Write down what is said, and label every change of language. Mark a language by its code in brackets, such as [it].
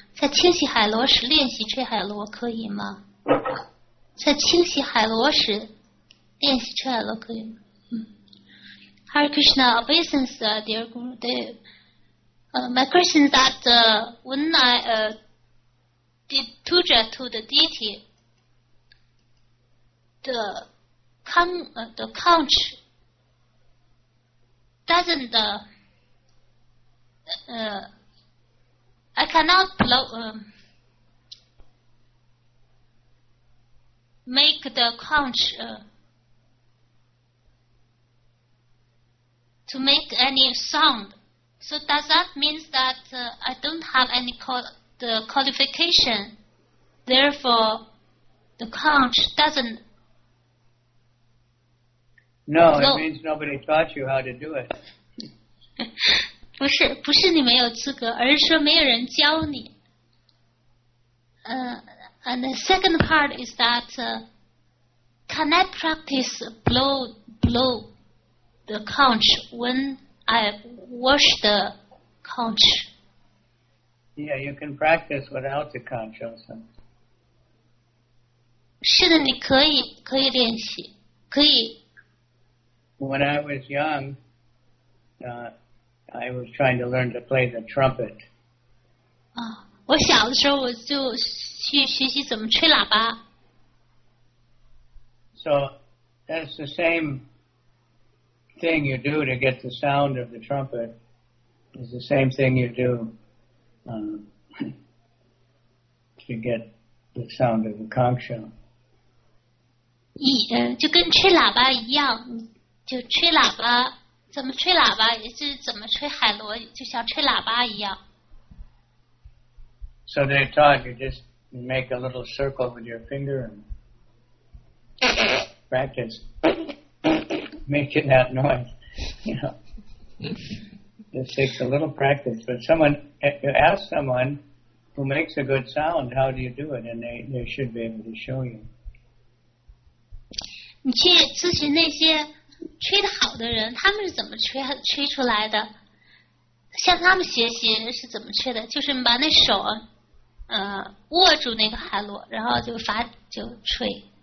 [zh] 在清洗海螺时练习吹海螺可以吗？在清洗海螺时练习吹海螺可以吗？ [en] Hare Krishna, obeisance, dear Guru Dev. My question is that when I did puja to the deity, the conch doesn't I cannot blow, make the conch to make any sound. So does that mean that I don't have any the qualification? Therefore, the conch doesn't. No, it means nobody taught you how to do it. [zh] 不是你没有资格，而是说没有人教你。 [en] And the second part is that can I practice blow the conch when I wash the conch? Yeah, you can practice without the conch also. [zh] 是的，你可以可以练习，可以。 [en] When I was young, I was trying to learn to play the trumpet. [zh] 啊，我小的时候我就去学习怎么吹喇叭。 [en] So that's the same thing you do to get the sound of the trumpet. It's the same thing you do to get the sound of the conch shell. [zh] 就跟吹喇叭一样，就吹喇叭，怎么吹喇叭，也就是怎么吹海螺，就像吹喇叭一样。 [en] So they taught you just make a little circle with your finger and practice making that noise. You know, it takes a little practice. But someone, if you ask someone who makes a good sound, how do you do it? And they should be able to show you. [zh] 你去咨询那些吹得好的人，他们是怎么吹出来的？向他们学习是怎么吹的？就是把那手，握住那个海螺，然后就吹。